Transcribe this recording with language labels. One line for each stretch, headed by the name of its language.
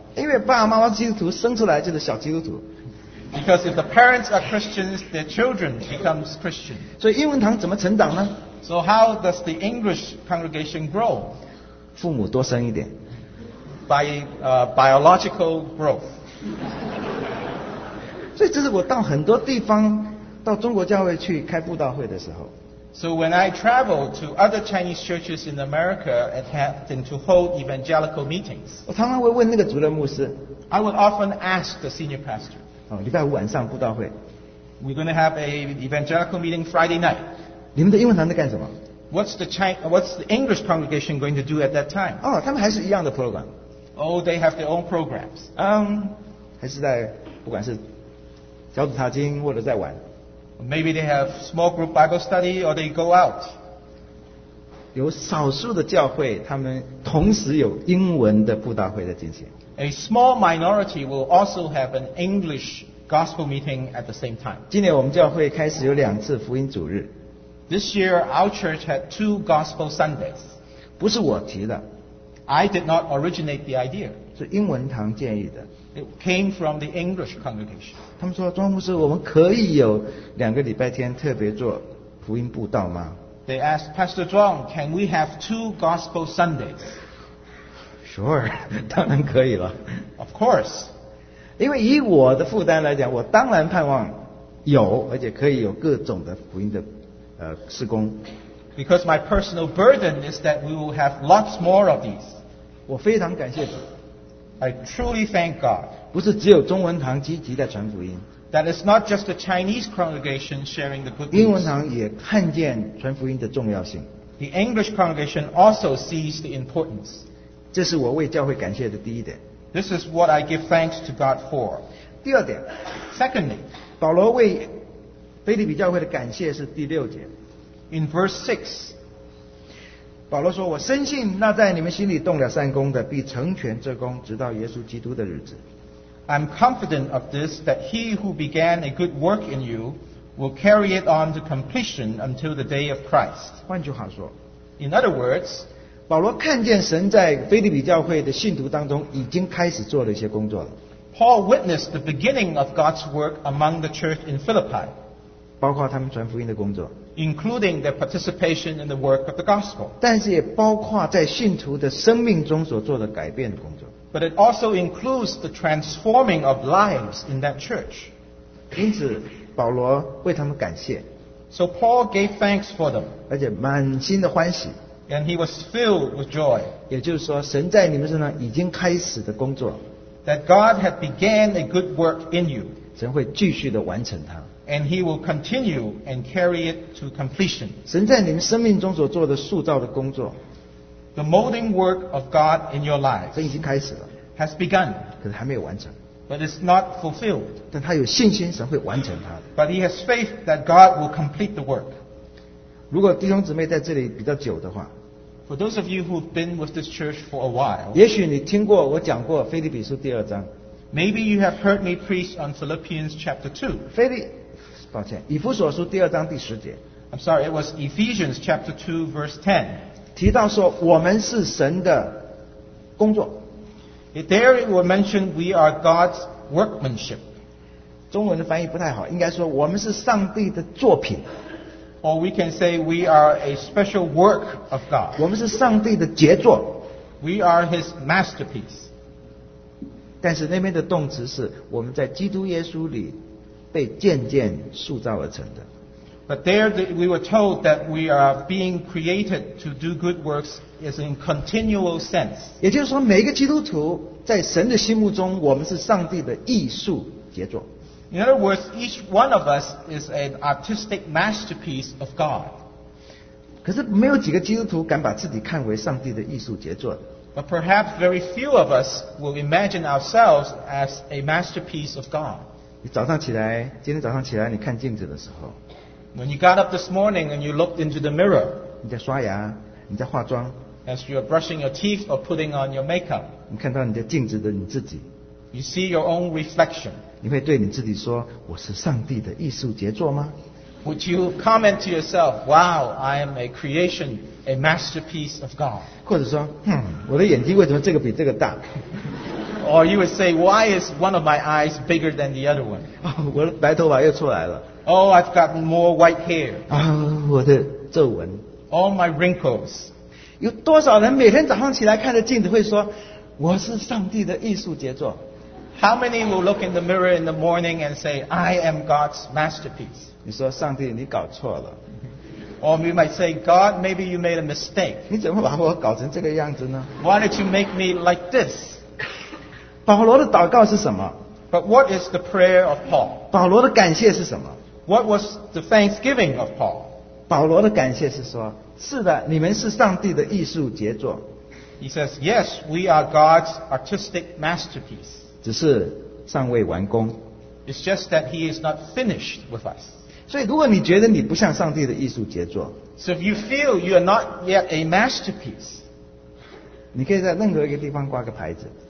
Chinese: 因为爸爸妈妈基督徒生出来就是小基督徒。
English: Because if the parents are Christians, their children become Christians.
Chinese: 所以英文堂怎么成长呢？
English: So how does the English congregation grow?
Chinese: 父母多生一点。
English: By biological growth.
Chinese: 所以这是我到很多地方，到中国教会去开布道会的时候。
English: So when I travel to other Chinese churches in America and have to hold evangelical meetings,
Chinese: 我常常会问那个主任牧师。
English: I would often ask the senior pastor.
Chinese: 礼拜五晚上布道会。
English: We're going to have an evangelical meeting Friday night.
Chinese: 你们的英文堂在干什么？
English: What's the English congregation going to do at that time?
Chinese: 他们还是一样的 program.
English: Oh, they have their own programs.
Chinese: 还是在不管是小组查经或者在玩。
English: Maybe they have small group Bible study or they go out.
Chinese: 有少数的教会，他们同时有英文的布道会在进行。
English: A small minority will also have an English gospel meeting at the same time.
Chinese: 今年我们教会开始有两次福音主日。
English: This year our church had two gospel Sundays.
Chinese: 不是我提的。
English: I did not originate the idea.
Chinese: 是英文堂建议的。
English: It came from the English congregation.
Chinese: 他们说，庄牧师，我们可以有两个礼拜天特别做福音布道吗？
English: They asked Pastor Zhuang, can we have two gospel Sundays? Sure,
Chinese: 当然可以了。
English: Of course.
Chinese: 因为以我的负担来讲，我当然盼望有，而且可以有各种的福音的事工。
English: Because my personal burden is that we will have lots more of these.
Chinese: 我非常感谢主。
English: I truly thank God.
Chinese: 不是只有中文堂积极地传福音。
English: That it's not just the Chinese congregation sharing the good news.
Chinese: 英文堂也看见传福音的重要性。
English: The English congregation also sees the importance.
Chinese: 这是我为教会感谢的第一点。
English: This is what I give thanks to God for.
Chinese: 第二点。
English: Secondly,
Chinese: 保罗为腓立比教会的感谢是第六节。
English: In verse 6,
Chinese: 保罗说，我深信那在你们心里动了善功的必成全这功直到耶稣基督的日子。
English: I'm confident of this, that he who began a good work in you will carry it on to completion until the day of Christ.
Chinese: 换句话说，
English: In other words,
Chinese: 保罗看见神在腓立比教会的信徒当中已经开始做了一些工作了。
English: Paul witnessed the beginning of God's work among the church in Philippi.
Chinese: 包括他们传福音的工作。
English: Including their participation in the work of the gospel.
Chinese: 但是也包括在信徒的生命中所做的改变的工作。
English: But it also includes the transforming of lives in that church.
Chinese: 因此保罗为他们感谢。
English: So Paul gave thanks for them.
Chinese: 而且满心的欢喜。
English: And he was filled with joy.
Chinese: 也就是说，神在你们身上已经开始的工作。
English: That God had began a good work in you.
Chinese: 神会继续的完成它。
English: And he will continue and carry it to completion.
Chinese: 神在你们生命中所做的塑造的工作。
English: The molding work of God in your life.
Chinese: 神已经开始了。
English: Has begun.
Chinese: 可是还没有完成。
English: But it's not fulfilled.
Chinese: 但他有信心神会完成他的。
English: But he has faith that God will complete the work.
Chinese: 如果弟兄姊妹在这里比较久的话，
English: For those of you who've been with this church for a while,
Chinese: 也许你听过我讲过腓立比书第二章。
English: Maybe you have heard me preach on Philippians chapter 2.
Chinese: 抱歉，以弗所书第二章第十节。
English: I'm sorry, it was Ephesians chapter 2 verse 10.
Chinese: 提到说我们是神的工作。
English: There it will mention we are God's workmanship.
Chinese: 中文的翻译不太好，应该说我们是上帝的作品。
English: Or we can say we are a special work of God.
Chinese: 我们是上帝的杰作。
English: We are His masterpiece.
Chinese: 但是那边的动词是我们在基督耶稣里被渐渐塑造而成的。
English: But there we were told that we are being created to do good works is in continual sense.
Chinese: 也就是说每个基督徒在神的心目中我们是上帝的艺术杰作。
English: In other words, each one of us is an artistic masterpiece of God.
Chinese: 可是没有几个基督徒敢把自己看为上帝的艺术杰作。
English: But perhaps very few of us will imagine ourselves as a masterpiece of God.
Chinese: 你早上起来，今天早上起来你看镜子的时候，
English: When you got up this morning and you looked into the mirror,
Chinese: 你在刷牙，你在化妆，
English: as you are brushing your teeth or putting on your makeup,
Chinese: 你看到你在镜子的你自己，
English: you see your own reflection.
Chinese: 你会对你自己说，我是上帝的艺术杰作吗？
English: Would you comment to yourself, "Wow, I am a creation, a masterpiece of God"?
Chinese: 或者说，我的眼睛为什么这个比这个大？
English: Or you would say, "Why is one of my eyes bigger than the other one?"
Chinese: 我的白头发又出来了。
English: Oh, I've got more white hair.
Chinese: 啊，我的皱纹。
English: All my wrinkles.
Chinese: 有多少人每天早上起来看着镜子会说，我是上帝的艺术杰作？
English: How many will look in the mirror in the morning and say, I am God's masterpiece?
Chinese: 你说上帝，你搞错了。
English: Or we might say, God, maybe you made a mistake.
Chinese: 你怎么把我搞成这个样子呢？
English: Why did you make me like this?
Chinese: 保罗的祷告是什么？
English: But what is the prayer of Paul?
Chinese: 保罗的感谢是什么？
English: What was the thanksgiving of Paul?
Chinese: 保罗的感谢是说，是的，你们是上帝的艺术杰作。
English: He says, "Yes, we are God's artistic masterpiece."
Chinese: 只是尚未完工。
English: It's just that He is not finished with us.
Chinese: 所以，如果你觉得你不像上帝的艺术杰作
English: ，So if you feel you are not yet a masterpiece,
Chinese: 你可以在任何一个地方挂个牌子。